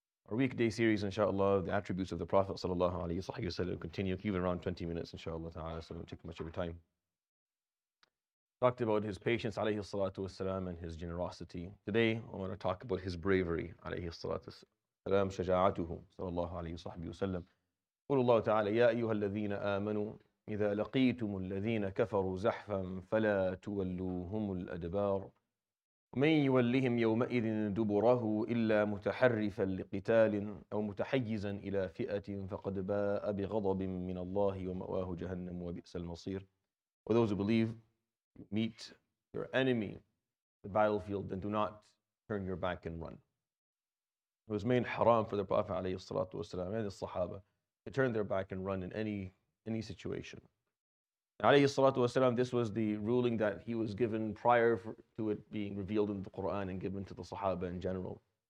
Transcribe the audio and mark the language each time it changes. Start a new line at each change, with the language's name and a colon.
English: Our weekday series, inshallah, the attributes of the Prophet, sallallahu alayhi wa sallam, will continue even around 20 minutes, inshallah ta'ala, so it won't take much of your time. Talked about his patience, alayhi salatu wasalam, and his generosity. Today, I want to talk about his bravery, alayhi salatu wasalam.
Arabic: سلام شجاعته صلى الله عليه وصحبه وسلم قول الله تعالى يا أيها الذين آمنوا إذا لقيتم الذين كفروا زحفا فلا تولوهم الأدبار ومن يولهم يومئذ دبره إلا متحرفا لقتال أو متحيزا إلى فئة فقد باء بغضب من الله ومأواه جهنم وبئس المصير.
English: For those who believe, meet your enemy the battlefield, then do not turn your back and run. It was made haram for the Prophet alayhi salatu wasalam and the Sahaba to turn their back and run in any situation. Alayhi salatu wasalam, this was the ruling that he was given prior to it being revealed in the Quran and given to the Sahaba in general.